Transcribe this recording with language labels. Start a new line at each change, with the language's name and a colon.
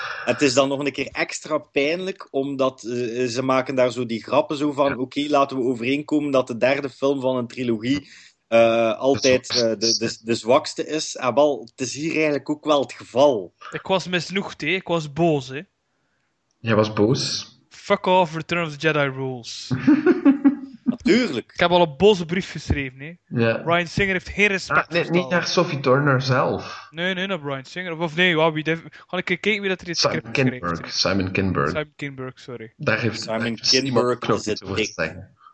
Dutch: Het is dan nog een keer extra pijnlijk, omdat ze maken daar zo die grappen zo van, ja. Oké, laten we overeenkomen dat de derde film van een trilogie altijd de zwakste is. En wel, het is hier eigenlijk ook wel het geval. Ik was misnoegd, hè. Ik was boos, hè. Jij was boos?
English: Fuck off, Return of the Jedi rules.
Dutch: Natuurlijk. Ik heb al een boze brief geschreven, hè. Ja. Bryan Singer heeft geen respect. Nee, niet naar Sophie Turner zelf. Nee, naar Bryan Singer. Of nee, wow, wie... Gewoon een keer kijken wie dat er in het script schreef. Simon Kinberg, sorry. Daar heeft Simon Kinberg knop iets over te zeggen.